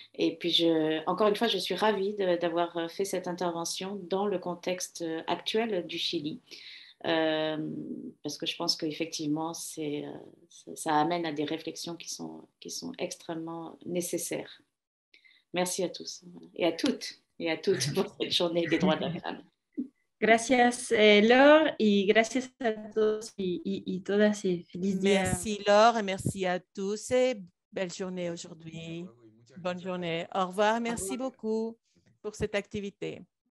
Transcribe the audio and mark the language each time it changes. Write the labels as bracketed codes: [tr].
[fr] Et puis, encore une fois, je suis ravie d'avoir fait cette intervention dans le contexte actuel du Chili, parce que je pense qu'effectivement, ça amène à des réflexions qui sont extrêmement nécessaires. Merci à tous et à toutes. Et à toutes pour cette journée des droits de la femme. [es] Gracias, Laure, et gracias a todos y todas. Y feliz día. [fr] Merci, Laure, et merci à tous. Et belle journée aujourd'hui. Bonne journée. Au revoir. Merci beaucoup pour cette activité.